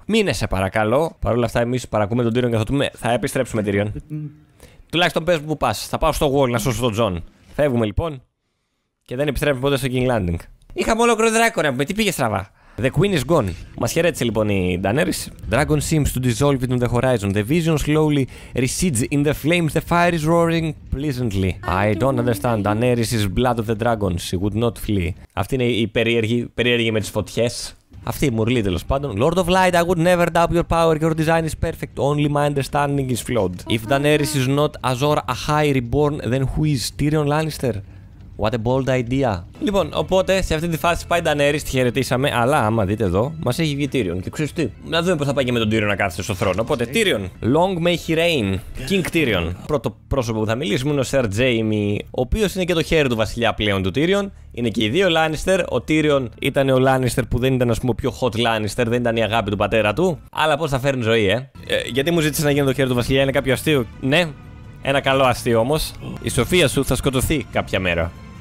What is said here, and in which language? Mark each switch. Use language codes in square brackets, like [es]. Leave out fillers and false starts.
[el] Μείνε σε παρακαλώ. Παρ' όλα αυτά, εμείς παρακούμε τον Τύριον και θα του πούμε: θα επιστρέψουμε, Τύριον. Τουλάχιστον πες που πας. Θα πάω στο Wall να σώσω τον Τζον. Φεύγουμε λοιπόν. Και δεν επιστρέφουμε ποτέ στο King Landing. Είχαμε ολόκληρο δράκο να πούμε. Τι πήγε στραβά. [en] The Queen is gone. [el] Μας χαιρέτησε λοιπόν η Daenerys. [en] Dragon seems to dissolve into the horizon. The vision slowly recedes in the flames. The fire is roaring pleasantly. I don't understand. Daenerys is blood of the dragons. She would not flee. [el] Αυτή είναι η περίεργη με τις φωτιές. Αυτή η μουρλή τέλος πάντων. [en] Lord of Light, I would never doubt your power. Your design is perfect. Only my understanding is flawed. If Daenerys is not Azor Ahai reborn, then who is Tyrion Lannister? What a bold idea. [el] Λοιπόν, οπότε σε αυτή τη φάση πάει Daenerys, τη χαιρετήσαμε. Αλλά άμα δείτε εδώ, μας έχει βγει Tyrion. Και ξέρεις τι, να δούμε πώς θα πάει και με τον Tyrion να κάθεται στο θρόνο. Οπότε, Tyrion, [en] long may he reign. King Tyrion. [el] Πρώτο πρόσωπο που θα μιλήσουμε είναι ο Σερ Τζέιμι, ο οποίος είναι και το χέρι του βασιλιά πλέον του Tyrion. Είναι και οι δύο Lannister. Ο Tyrion ήταν ο Lannister που δεν ήταν, ας πούμε, ο πιο hot Lannister, δεν ήταν η αγάπη του πατέρα του. Αλλά πώς θα φέρνει ζωή, γιατί μου ζήτησε να γίνει το χέρι του βασιλιά, είναι κάποιο αστείο. Ναι, ένα καλό αστείο όμως. Η σοφία σου θα σκοτωθεί κάποια μέρα.